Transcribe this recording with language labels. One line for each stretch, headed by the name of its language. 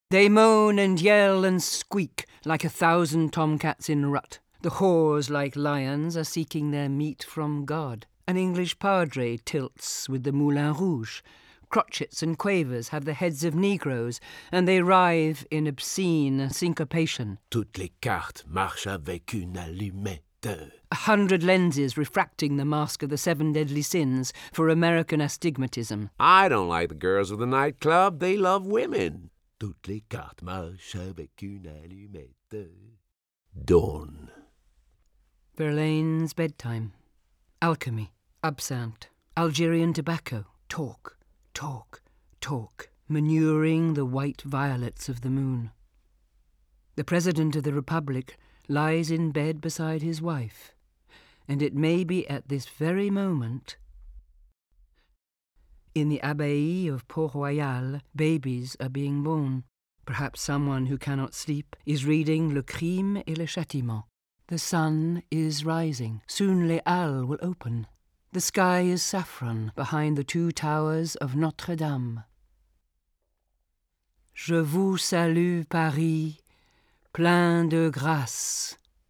English: They moan and yell and squeak like 1,000 tomcats in rut. The whores, like lions, are seeking their meat from God. An English padre tilts with the Moulin Rouge, crotchets and quavers have the heads of negroes, and they writhe in obscene syncopation.
French: Toutes les cartes marchent avec une allumette.
English: 100 lenses refracting the mask of the 7 deadly sins for American astigmatism. I don't like the girls of the nightclub. They love women.
French: Toutes les cartes marchent avec une allumette.
English: Dawn. Verlaine's bedtime. Alchemy. Absinthe. Algerian tobacco. Talk, talk, talk, manuring the white violets of the moon. The President of the Republic lies in bed beside his wife, and it may be at this very moment, in the Abbaye of Port-Royal, babies are being born. Perhaps someone who cannot sleep is reading Le Crime et le Châtiment. The sun is rising. Soon Les Halles will open. The sky is saffron behind the two towers of Notre Dame.
French: Je vous salue, Paris, plein de grâce.